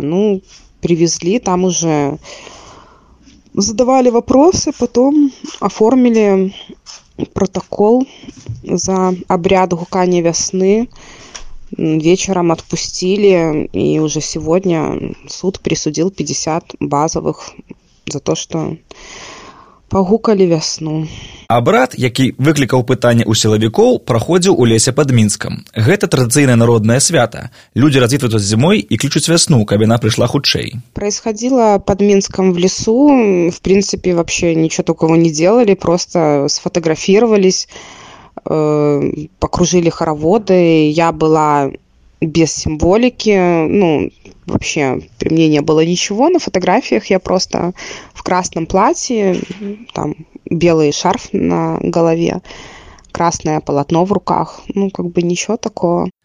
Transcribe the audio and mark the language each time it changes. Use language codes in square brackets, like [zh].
[ru] Ну, привезли, там уже задавали вопросы, потом оформили протокол за обряд гукания весны. Вечером отпустили, и уже сегодня суд присудил 50 базовых за то, что [be] пагукалі вясну. А брат, які выклікаў пытанне ў сілавікоў, праходзіў у лесе пад Мінскам. Гэта традыцыйнае народнае свята. Людзі развітваюцца зімой і клічуць вясну, каб яна прыйшла хутчэй. [ru] Происходило пад Мінскам в лесу. В принципе, вообще ничего такого не делали, просто сфотографировались, покружили хороводы. Я была без символики, ну, вообще, при мне не было ничего на фотографиях, я просто в красном платье, там, белый шарф на голове, красное полотно в руках, ну, как бы ничего такого.